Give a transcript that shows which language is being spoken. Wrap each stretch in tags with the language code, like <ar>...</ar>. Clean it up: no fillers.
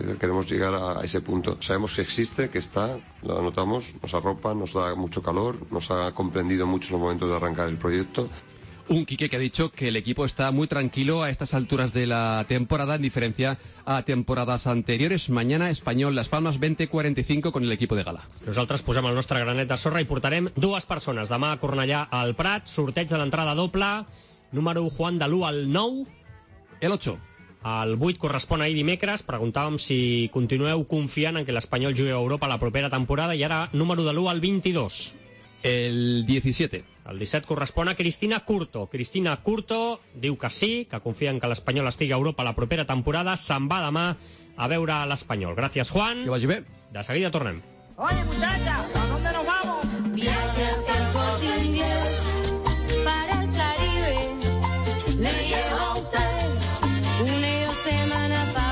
<es>Queremos llegar a ese punto. Sabemos que existe, que está, lo notamos, nos arropa, nos da mucho calor, nos ha comprendido mucho los momentos de arrancar el proyecto. Un Quique que ha dicho que el equipo está muy tranquilo a estas alturas de la temporada, en diferencia a temporadas anteriores. Mañana, Español, Las Palmas, 20:45 con el equipo de gala.</es> <ca>Nosaltres posem el nostre granet de sorra i portarem dues persones. Demà a Cornellà al Prat, sorteig de l'entrada doble, número 1, Juan de l'1 al 9. El 8. El 8 correspon ahir dimecres. Preguntàvem si continueu confiant en que l'Espanyol jugui a Europa la propera temporada. I ara, número de l'1 al 22. El 17. El 17 correspon a Cristina Curto. Cristina Curto diu que sí, que confia en que l'Espanyol estigui a Europa la propera temporada. Se'n va demà a veure l'Espanyol. Gràcies, Juan. Que vagi bé. De seguida tornem.</ca> <es>Oye, muchacha, ¿a dónde nos vamos? Viajes al Corte Inglés para el Caribe. Le llevo a usted un semana.</es>